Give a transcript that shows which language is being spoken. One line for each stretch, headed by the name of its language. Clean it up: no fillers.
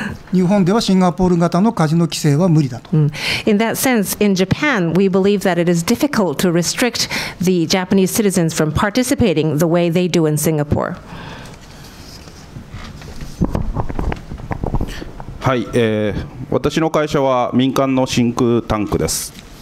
Japanese: 日本ではシンガポール型のカジノ規制は無理だと。
English: In that sense, in Japan, we believe that it is difficult to restrict the Japanese citizens from participating the way they do in Singapore.
Japanese: はい、私の会社は民間の真空タンクです。